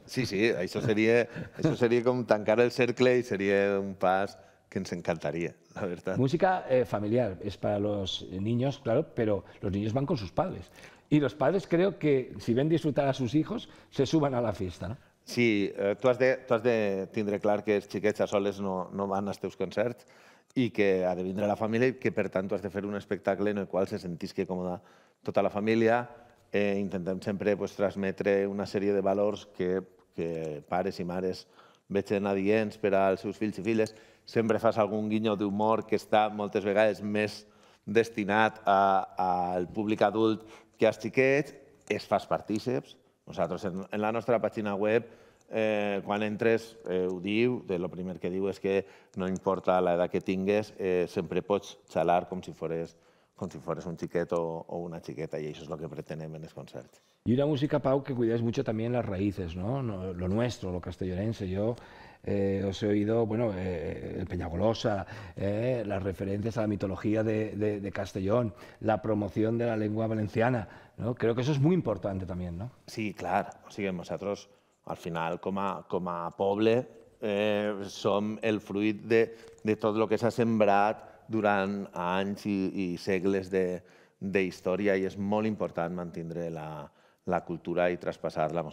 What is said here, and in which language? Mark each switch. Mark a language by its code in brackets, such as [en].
[es] Sí, sí, eso sería como [ca] tancar el cercle [es] y sería [ca] un pas [es] que nos encantaría, la verdad. Música familiar, es para los niños, claro, pero los niños van con sus padres. Y los padres creo que si ven disfrutar a sus hijos, se suban a la fiesta, ¿no? [ca] Sí, tú has de tindre clar que els xiquets a soles no van als teus concerts, i que ha de vindre la família i que, per tant, has de fer un espectacle en el qual se sentisqui còmoda tota la família. Intentem sempre pues, transmetre una sèrie de valors que pares i mares vegin adients per als seus fills i filles. Sempre fas algun guinyo d'humor que està moltes vegades més destinat al públic adult que als xiquets. Es fas partíceps. Nosaltres, en la nostra pàgina web, quan entres, ho diu, el primer que diu és que no importa l'edat que tingues, sempre pots xalar com si fores un xiquet o una xiqueta, i això és el que pretenem en els concerts. I una música, [es] Pau, que cuides mucho [ca] també les raïces, [es] ¿no? Lo nuestro, lo castellonense. Yo os he oído, bueno, el Peñagolosa, las referencias a la mitología de Castellón, la promoción de la lengua valenciana, ¿no? Creo que eso es muy importante també, ¿no? [ca] Sí, clar. O sigui, nosaltres, al final, com a poble, som el fruit de tot el que s'ha sembrat durant anys i segles d'història, i és molt important mantenir la cultura i traspassar-la.